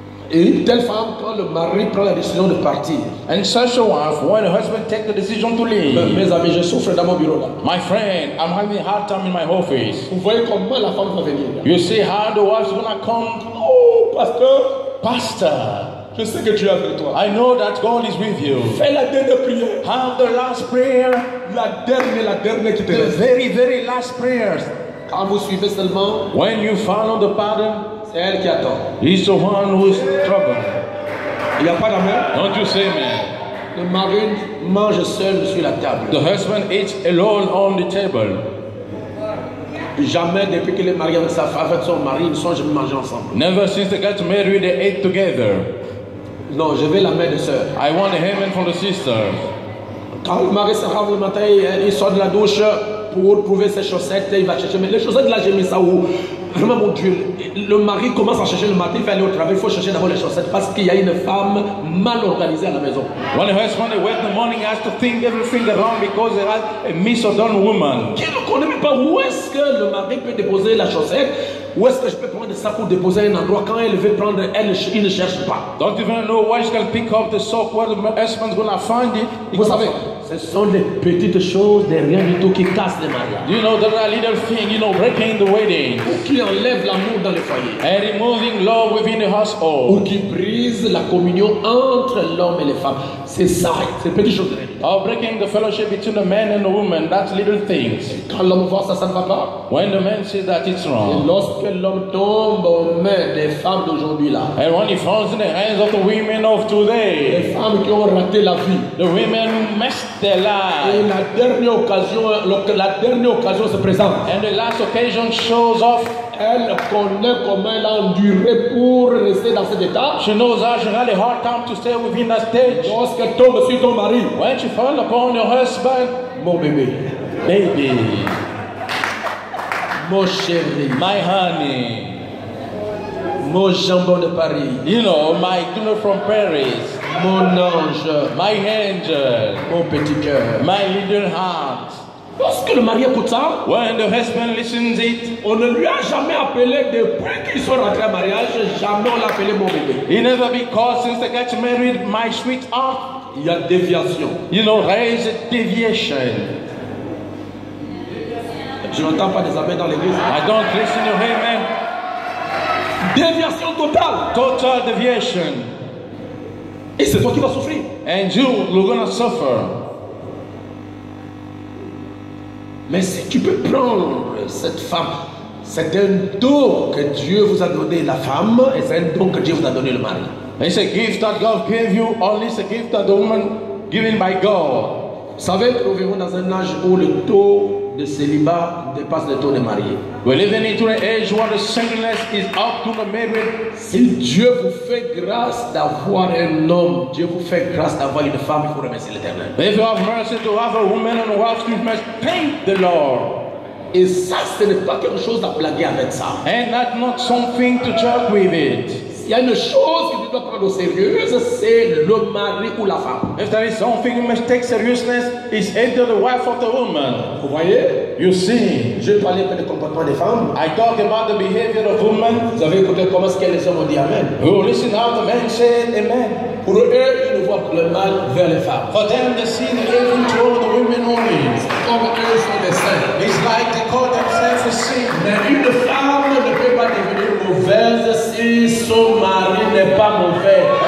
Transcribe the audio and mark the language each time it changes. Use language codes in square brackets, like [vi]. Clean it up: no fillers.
[fr] Et une telle femme, quand le mari prend la décision de partir, [en] and such a wife, when the husband takes the decision to leave, [fr] mes amis, je souffre dans mon bureau là. [en] My friend, I'm having a hard time in my office. [fr] Vous voyez comment la femme va venir là. [en] You see how the wife's gonna come. [fr] Oh, pasteur. [en] Pastor. [fr] Je sais que Dieu est avec toi. [en] I know that God is with you. [fr] Fais la dernière prière. [en] Have the last prayer. [fr] La dernière qui te reste. [en] The very, very last prayers. [fr] Quand vous suivez seulement. [en] When you follow the pattern. [fr] C'est elle qui attend. [en] He's the one who is trouble. [fr] Il n'y a pas d'amen. [en] Don't you say amen. [fr] Le mari mange seul sur la table. [en] The husband eats alone on the table. [fr] Jamais depuis qu'il est marié avec sa femme, avec son mari, ils ne sont jamais mangés ensemble. [en] Never since they got married, they ate together. [fr] Non, je veux la main de sœur. [en] I want the heaven from the sister. [fr] Quand le mari se lave le matin, il sort de la douche pour prouver ses chaussettes, il va chercher. Mais les chaussettes là, j'ai mis ça où? Vraiment mon Dieu, le mari commence à chercher le matin, il fait aller au travail, il faut chercher d'abord les chaussettes parce qu'il y a une femme mal organisée à la maison. [en] When the husband wakes in the morning, he has to think everything around because there is a misordonned woman. [fr] Qui ne connaît même pas où est-ce que le mari peut déposer la chaussette? Où est-ce que je peux prendre ça pour déposer un endroit quand elle veut prendre, elle, il ne cherche pas. [en] Don't even know where she can pick up the sock, where the husband's gonna find it. [fr] Vous savez, ce sont les petites choses, des rien du tout qui cassent les mariages. [en] You know, there are little things, you know, breaking the wedding. [fr] Ou qui enlève l'amour dans le foyer. [en] And removing love within the household. [fr] Ou qui brise la communion entre l'homme et les femmes. C'est ça, ces petites choses. [en] Or breaking the fellowship between the man and the woman, that's little things. [fr] Quand l'homme voit ça, ça ne va pas. [en] When the man sees that, it's wrong. [fr] Que l'homme tombe aux mains des femmes d'aujourd'hui là. [en] And when he falls in the hands of the women of today. [fr] Les femmes qui ont raté la vie. [en] The women messed their lives. [fr] Et la dernière occasion se présente. [en] And the last occasion shows off. [fr] Elle connaît comment elle a enduré pour rester dans cet état. [en] She knows how she had a hard time to stay within that stage. [fr] Lorsqu'elle tombe sur ton mari. [en] When she falls upon your husband. [fr] Mon bébé. [en] Baby. [fr] Mon chéri, [en] my honey, [fr] mon jambon de Paris, [en] you know, my dinner from Paris, [fr] mon ange, [en] my angel, [fr] mon petit cœur, [en] my little heart. [fr] Lorsque le mari écoute ça, [en] when the husband listens it, [fr] on ne lui a jamais appelé depuis qu'ils sont rentrés en mariage, jamais on l'a appelé mon bébé. [en] He never be called since they got married, my sweetheart. [fr] Il y a déviation. [en] You know, raise deviation. [fr] Je n'entends pas des amens dans l'église. [en] I don't listen to him, man. [fr] Déviation totale. [en] Total deviation. [fr] Et c'est toi qui vas souffrir. [en] And you're gonna suffer. [fr] Mais si tu peux prendre cette femme, c'est un don que Dieu vous a donné, la femme, et c'est un don que Dieu vous a donné, le mari. [en] It's a gift that God gave you, only it's a gift that the woman given by God. [fr] Vous savez, nous vivons dans un âge où le taux de célibat dépasse le taux de marié. [en] We live in an age where the singleness is up to the marriage. [fr] Si Dieu vous fait grâce d'avoir un homme, Dieu vous fait grâce d'avoir une femme, il faut remercier l'Éternel. [en] If you have mercy to have a woman and a wife, you must thank the Lord. [fr] Et ça, ce n'est pas quelque chose à blaguer avec ça. [en] And that's not something to joke with it. [fr] Il y a une chose que tu dois prendre au sérieux, c'est le mari ou la femme. [en] If there is something you must take seriousness, it's either the wife or the woman. [fr] Vous voyez? [en] You see? [fr] Je parlais pas du comportement des femmes. [en] I talk about the behavior of women. [fr] Vous avez écouté comment est-ce que les hommes ont dit amen? [en] Oh, listen how the men said amen. [fr] Pour eux, ils ne voient que le mal vers les femmes. [en] For them, they see the evil toward the women only. [fr] Comme eux sont des saints. [en] It's like they call themselves a saint. [fr] Mais une femme ne peut pas devenir mauvaise si son mari n'est pas mauvais.